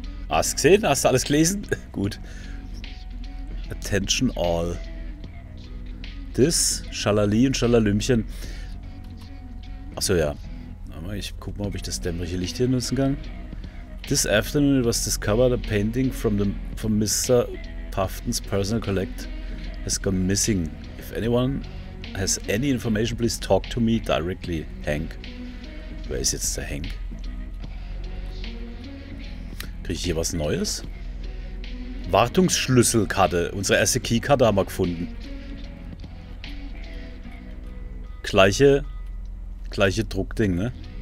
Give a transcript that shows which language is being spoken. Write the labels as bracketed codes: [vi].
[de] Hast du gesehen? Hast du alles gelesen? Gut. [en] Attention all. This, [de] Schalali und Schalalümchen. Achso, ja. Ich guck mal, ob ich das dämmerige Licht hier nutzen kann. [en] This afternoon it was discovered a painting from Mr. Pufton's personal collect has gone missing. If anyone has any information, please talk to me directly. [de] Hank. Wer ist jetzt der Hank? Kriege ich hier was Neues? Wartungsschlüsselkarte. Unsere erste Keykarte haben wir gefunden. Gleiche Druckding, ne?